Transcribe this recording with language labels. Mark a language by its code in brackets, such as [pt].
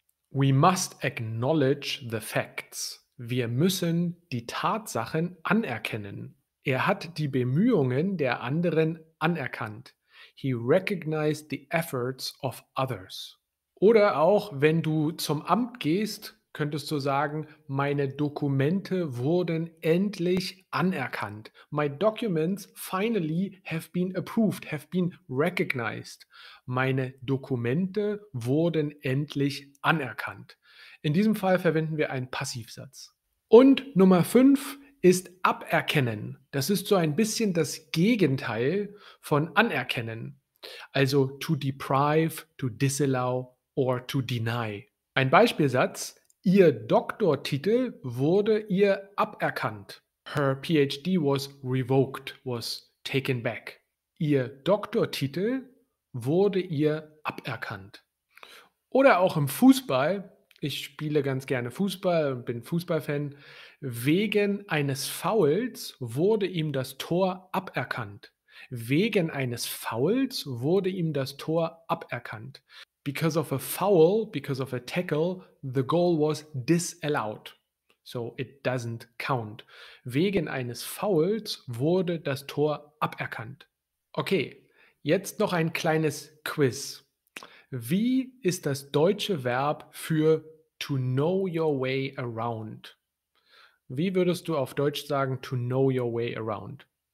[en] We must acknowledge the facts. [de] Wir müssen die Tatsachen anerkennen. Er hat die Bemühungen der anderen anerkannt. [en] He recognized the efforts of others. [de] Oder auch, wenn du zum Amt gehst, könntest du sagen, meine Dokumente wurden endlich anerkannt. [en] My documents finally have been approved, have been recognized. [de] Meine Dokumente wurden endlich anerkannt. In diesem Fall verwenden wir einen Passivsatz. Und Nummer 5 ist aberkennen. Das ist so ein bisschen das Gegenteil von anerkennen. [en] Also to deprive, to disallow or to deny. [de] Ein Beispielsatz. Ihr Doktortitel wurde ihr aberkannt. [en] Her PhD was revoked, was taken back. [de] Ihr Doktortitel wurde ihr aberkannt. Oder auch im Fußball. Ich spiele ganz gerne Fußball und bin Fußballfan. Wegen eines Fouls wurde ihm das Tor aberkannt. Wegen eines Fouls wurde ihm das Tor aberkannt. [en] Because of a foul, because of a tackle, the goal was disallowed. So it doesn't count. [de] Wegen eines Fouls wurde das Tor aberkannt. Okay, jetzt noch ein kleines Quiz. Wie ist das deutsche Verb für [en] to know your way around? [de] Wie würdest du auf Deutsch sagen [en] to know your way around?